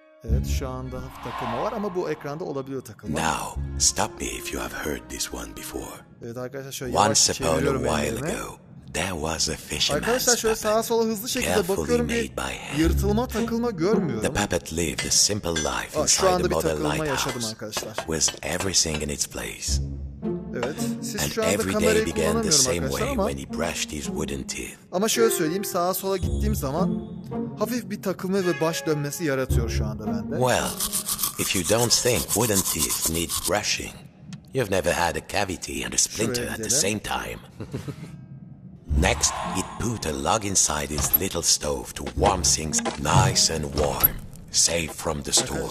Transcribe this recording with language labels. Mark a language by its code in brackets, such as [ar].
[tr] Evet şu anda hafif takılma var ama bu ekranda olabiliyor takılma. [en] Now stop me if you have heard this one before. [tr] Evet arkadaşlar şöyle yavaş çeviriyorum elimi. [en] There was a fisherman's puppet. [tr] Arkadaşlar şöyle sağa sola hızlı şekilde bakıyorum, bir yırtılma takılma görmüyorum. [en] The puppet lived a simple life inside the model lighthouse. With everything in its place. [tr] Evet, siz [en] and [tr] şu anda [en] every day began the same way when he brushed his wooden teeth. [tr] Ama şöyle söyleyeyim, sağa sola gittiğim zaman hafif bir takılma ve baş dönmesi yaratıyor şu anda bende. [en] Well, if you don't think wooden teeth need brushing, you've never had a cavity and a splinter at the same time. Next, it put a log inside his little stove to warm things nice and warm. Safe from the store. Evet,